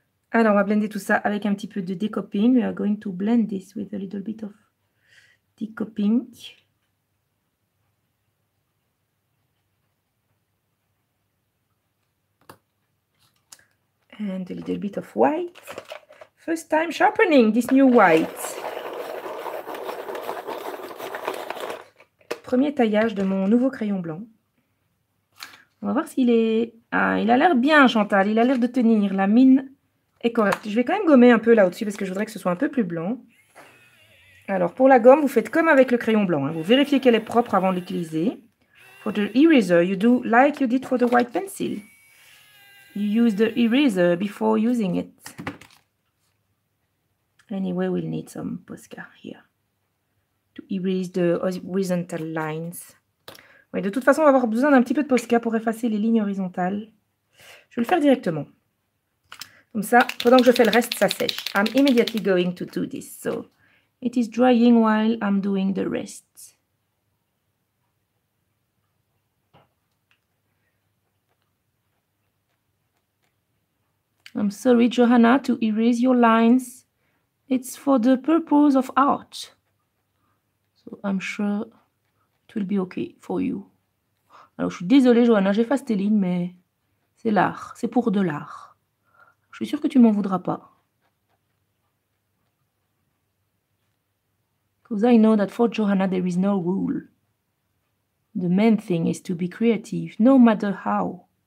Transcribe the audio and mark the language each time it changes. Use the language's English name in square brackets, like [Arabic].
[French] Alors, on va blender tout ça avec un petit peu de decoping. [English] We are going to blend this with a little bit of decoping. And a little bit of white. First time sharpening this new white. [French] Premier taillage de mon nouveau crayon blanc. On va voir s'il est... Ah, il a l'air bien, Chantal. Il a l'air de tenir. La mine est correcte. Je vais quand même gommer un peu là-dessus parce que je voudrais que ce soit un peu plus blanc. Alors, pour la gomme, vous faites comme avec le crayon blanc. Hein. Vous vérifiez qu'elle est propre avant de l'utiliser. [English] For the eraser, you do like you did for the white pencil. You use the eraser before using it. Anyway, we'll need some Posca here to erase the horizontal lines. [French] Oui, de toute façon, on va avoir besoin d'un petit peu de Posca pour effacer les lignes horizontales. Je vais le faire directement. Comme ça, pendant que je fais le reste, ça sèche. [English] I'm immediately going to do this. So, it is drying while I'm doing the rest. I'm sorry, Johanna, to erase your lines. It's for the purpose of art. So I'm sure it will be okay for you. [French] Alors, je suis désolée, Johanna, j'efface tes lignes, mais c'est l'art. C'est pour de l'art. Je suis sûre que tu m'en voudras pas. [English] Because I know that for Johanna, there is no rule. The main thing is to be creative, no matter how.